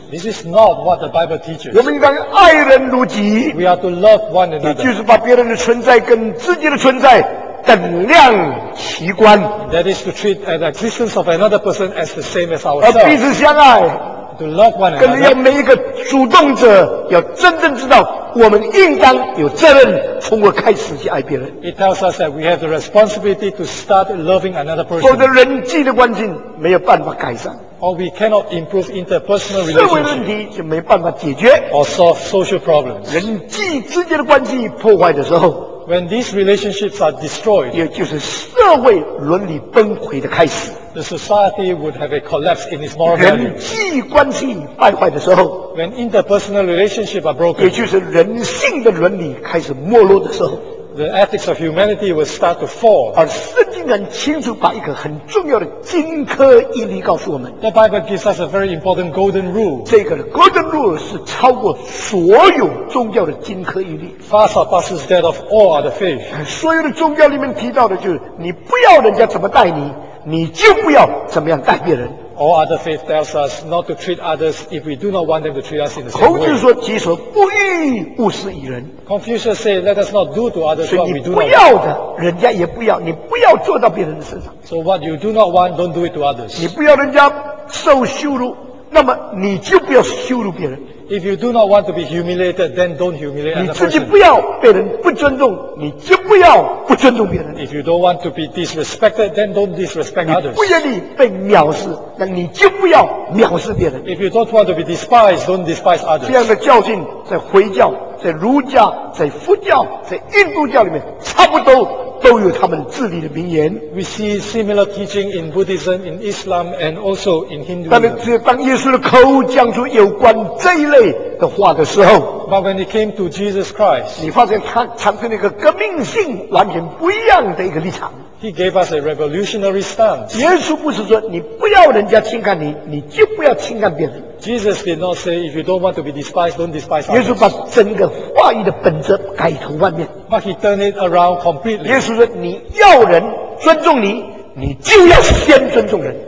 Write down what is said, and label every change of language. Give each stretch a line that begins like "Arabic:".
English: This is not what the Bible teaches.
Chinese: 我们应当爱人如己。
English: We are to love one another.
Chinese: 也就是把别人的存在跟自己的存在等量齐观。
English: That is to treat the existence of another person as the same as ourselves.
Chinese: 而彼此相爱。
English: To love one another.
Chinese: 更要每一个主动者要真正知道。我们应当有责任从我开始去爱别人。
English: It tells us that we have the responsibility to start loving another person.
Chinese: 否则人际的关系没有办法改善。
English: Or we cannot improve interpersonal relationships.
Chinese: 社会问题就没办法解决。
English: Or solve social problems.
Chinese: 人际之间的关系破坏的时候，
English: When these relationships are destroyed,
Chinese: 也就是社会伦理崩溃的开始。
English: The society would have a collapse in its moral values.
Chinese: 人际关系败坏的时候，
English: When interpersonal relationships are broken,
Chinese: 也就是人性的伦理开始没落的时候。
English: The ethics of humanity will start to fall.
Chinese: 而圣经很清楚把一个很重要的金科一律告诉我们。
English: The Bible gives us a very important golden rule.
Chinese: 这个
English: golden rule
Chinese: 是超过所有宗教的金科一律。
English: Far surpasses that of all other faith.
Chinese: 所有的宗教里面提到的就是你不要人家怎么待你，你就不要怎么样待别人。
English: All other faith tells us not to treat others if we do not want them to treat us in the same way.
Chinese: 孔子说：“己所不欲，勿施于人。”
English: Confucius said, "Let us not do to others what we do not want."
Chinese: 所以你不要的，人家也不要；你不要做到别人的身上。
English: So what you do not want, don't do it to others.
Chinese: 你不要人家受羞辱，那么你就不要羞辱别人。
English: If you do not want to be humiliated, then don't humiliate others.
Chinese: 你自己不要被人不尊重，你就不要不尊重别人。
English: If you don't want to be disrespected, then don't disrespect others.
Chinese: 你不愿意被藐视，那你就不要藐视别人。
English: If you don't want to be despised, don't despise others.
Chinese: 这样的教训在回教、在儒家、在佛教、在印度教里面差不多。都有他们自己的名言。
English: We see similar teaching in Buddhism, in Islam, and also in Hinduism.
Chinese: 但是只有当耶稣的口讲出有关这一类的话的时候
English: ，But when it came to Jesus Christ,
Chinese: 你发现他产生了一个革命性、完全不一样的一个立场。
English: He gave us a revolutionary stance.
Chinese: 耶稣不是说你不要人家轻看你，你就不要轻看别人。
English: Jesus did not say if you don't want to be despised, don't despise others.
Chinese: 耶稣把整个话语的本质改头换面。
English: But he turned it around completely.
Chinese: 耶稣说你要人尊重你，你就要先尊重人。